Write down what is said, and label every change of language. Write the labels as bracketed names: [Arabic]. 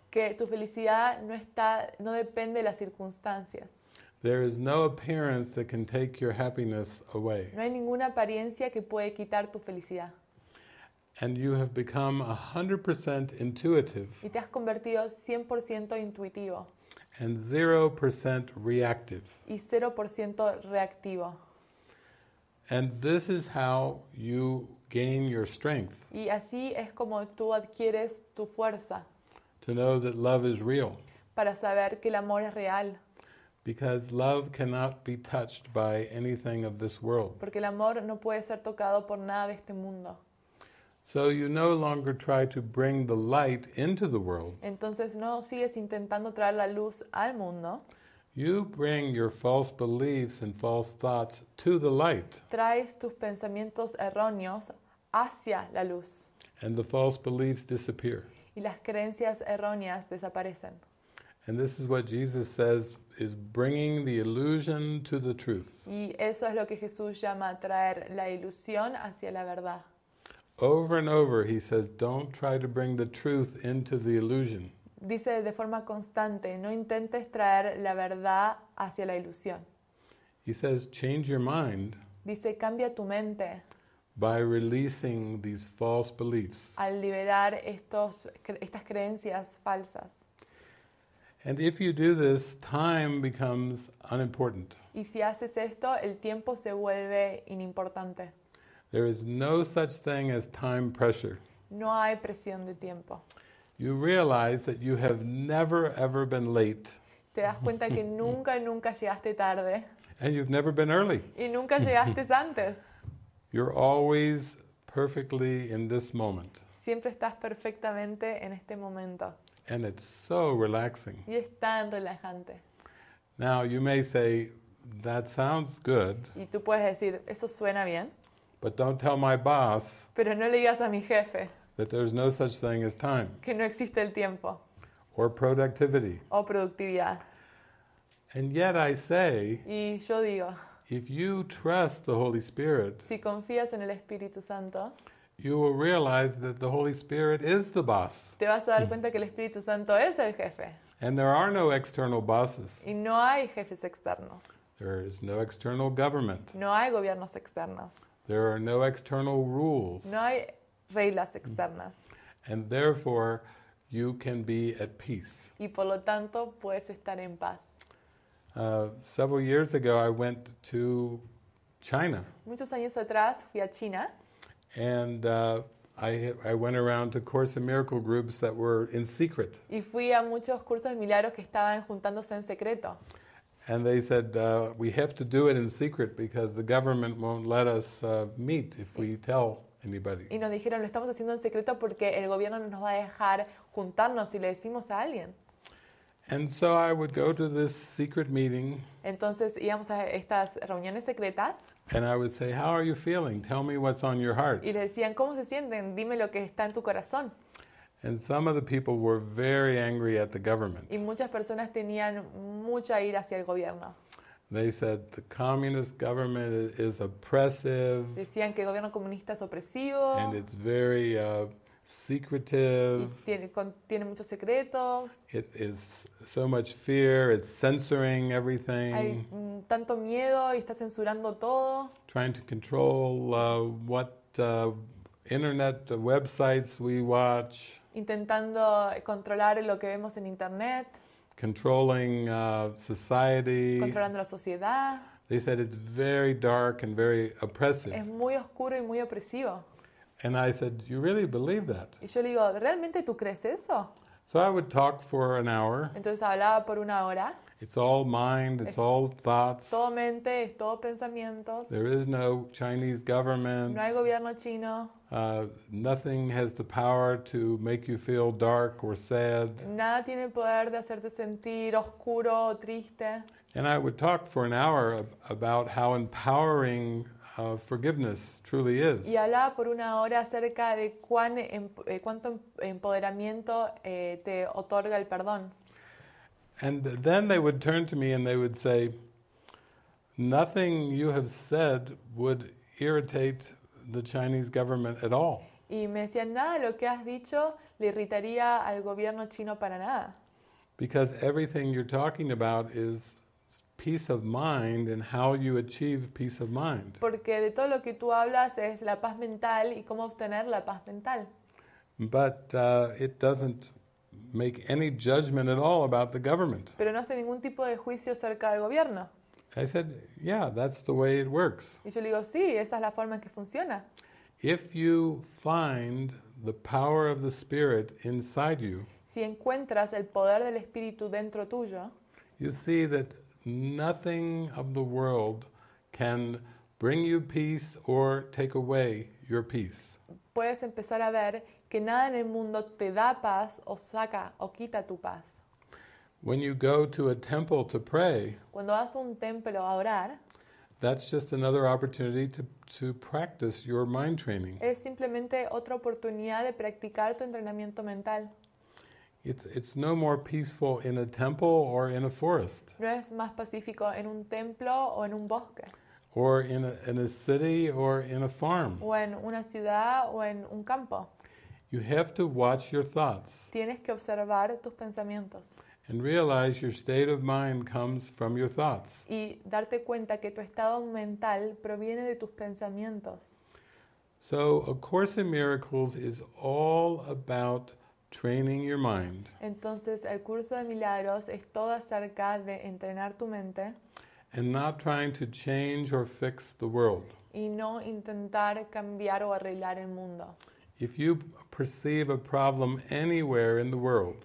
[Spanish] Que tu felicidad no depende de las circunstancias. [English] There is no appearance that can take your happiness away. [Spanish] No hay ninguna apariencia que puede quitar tu felicidad. [English] And you have become 100% intuitive. [Spanish] Y te has convertido 100% intuitivo. [English] And 0% reactive. [Spanish] Y 0% reactivo. [English] And this is how you gain your strength. [Spanish] Y así es como tú adquieres tu fuerza. [English] To know that love is real. [Spanish] Para saber que el amor es real. [English] Because love cannot be touched by anything of this world. [Spanish] Porque el amor no puede ser tocado por nada de este mundo. [English] So you no longer try to bring the light into the world. [Spanish] Entonces no sigues intentando traer la luz al mundo. [English] You bring your false beliefs and false thoughts to the light. [Spanish] Traes tus pensamientos erróneos hacia la luz. [English] And the false beliefs disappear. [Spanish] Y las creencias erróneas desaparecen. [English] And this is what Jesus says is bringing the illusion to the truth. [Spanish] Y eso es lo que Jesús llama traer la ilusión hacia la verdad. [English] Over and over he says, don't try to bring the truth into the illusion. [Spanish] Dice de forma constante, no intentes traer la verdad hacia la ilusión. [English] He says, change your mind. [Spanish] Dice, cambia tu mente. [English] By releasing these false beliefs. [Spanish] Al liberar estas creencias falsas. [English] And if you do this, time becomes unimportant. [Spanish] Y si haces esto, el tiempo se vuelve inimportante. [English] There is no such thing as time pressure. [Spanish] No hay presión de tiempo. [English] You realize that you have never ever been late. [Spanish] Te das cuenta que nunca, nunca llegaste tarde. [English] And you've never been early. [Spanish] Y nunca llegaste antes. [English] You're always perfectly in this moment. [Spanish] Siempre estás perfectamente en este momento. [English] And it's so relaxing. [Spanish] Y es tan relajante. [English] Now you may say, that sounds good. [Spanish] Y tú puedes decir, eso suena bien. [English] But don't tell my boss. [Spanish] Pero no le digas a mi jefe. [English] That there's no such thing as time. [Spanish] Que no existe el tiempo. [English] Or productivity. [Spanish] O productividad. [English] And yet I say. [Spanish] Y yo digo. [English] If you trust the Holy Spirit. [Spanish] Si confías en el Espíritu Santo. [English] You will realize that the Holy Spirit is the boss. [Spanish] Te vas a dar cuenta que el Espíritu Santo es el jefe. [English] And there are no external bosses. [Spanish] Y no hay jefes externos. [English] There is no external government. [Spanish] No hay gobiernos externos. [English] There are no external rules. [Spanish] No hay reglas externas. [English] And therefore, you can be at peace. [Spanish] Y por lo tanto, puedes estar en paz. [English] Several years ago, I went to China. [Spanish] Muchos años atrás, fui a China. [English] And I went around to Course in Miracle groups that were in secret. [Spanish] Y fui a muchos cursos de milagros que estaban juntándose en secreto. [English] And they said, we have to do it in secret because the government won't let us meet if we tell anybody. [Spanish] Y nos dijeron, lo estamos haciendo en secreto porque el gobierno no nos va a dejar juntarnos si le decimos a alguien. [English] And so I would go to this secret meeting. [Spanish] Entonces íbamos a estas reuniones secretas. [English] And I would say, how are you feeling? Tell me what's on your heart. [Spanish] Y le decían, ¿cómo se sienten? Dime lo que está en tu corazón. [English] And some of the people were very angry at the government. [Spanish] Y muchas personas tenían mucha ira hacia el gobierno. [English] They said the communist government is oppressive. [Spanish] Decían que el gobierno comunista es opresivo. [English] And it's very secretive. [Spanish] Tiene muchos secretos. [English] It is so much fear. It's censoring everything. [Spanish] Hay tanto miedo y está censurando todo. [English] Trying to control what internet websites we watch. [Spanish] Intentando controlar lo que vemos en internet. [English] Controlling society. [Spanish] Controlando la sociedad. [English] They said it's very dark and very oppressive. [Spanish] Es muy oscuro y muy opresivo. [English] And I said, you really believe that? [Spanish] Y yo le digo, ¿realmente tú crees eso? [English] So I would talk for an hour. [Spanish] Entonces hablaba por una hora. [English] It's all mind, it's all thoughts. [Spanish] Todo mente, es todo pensamientos. [English] There is no Chinese government. [Spanish] No hay gobierno chino. [English] Nothing has the power to make you feel dark or sad. [Spanish] Nada tiene poder de hacerte sentir oscuro o triste. [English] And I would talk for an hour about how empowering forgiveness truly is. [Spanish] Y hablaba por una hora acerca de cuánto empoderamiento te otorga el perdón. [English] And then they would turn to me and they would say, nothing you have said would irritate the Chinese government at all. [Spanish] Y me decían, nada, lo que has dicho le irritaría al gobierno chino para nada. [English] Because everything you're talking about is peace of mind and how you achieve peace of mind. [Spanish] Porque de todo lo que tú hablas es la paz mental y cómo obtener la paz mental. [English] But it doesn't make any judgment at all about the government. [Spanish] Pero no hace ningún tipo de juicio acerca del gobierno. [English] I said, yeah, that's the way it works. [Spanish] Y yo le digo, sí, esa es la forma en que funciona. [English] If you find the power of the Spirit inside you, [Spanish] si encuentras el poder del Espíritu dentro tuyo, [English] you see that nothing of the world can bring you peace or take away your peace. [Spanish] Puedes empezar a ver que nada en el mundo te da paz o saca o quita tu paz. [English] When you go to a temple to pray, [Spanish] cuando vas a un templo a orar, [English] that's just another opportunity to practice your mind training. [Spanish] Es simplemente otra oportunidad de practicar tu entrenamiento mental. [English] It's no more peaceful in a temple or in a forest. [Spanish] No es más pacífico en un templo o en un bosque. [English] Or in a city or in a farm. [Spanish] O en una ciudad o en un campo. [English] You have to watch your thoughts. [Spanish] Tienes que observar tus pensamientos. [English] And realize your state of mind comes from your thoughts. [Spanish] Y darte cuenta que tu estado mental proviene de tus pensamientos. [English] So, A Course in Miracles is all about training your mind. [Spanish] Entonces, el curso de milagros es todo acerca de entrenar tu mente. [English] And not trying to change or fix the world. [Spanish] Y no intentar cambiar o arreglar el mundo. [English] If you perceive a problem anywhere in the world,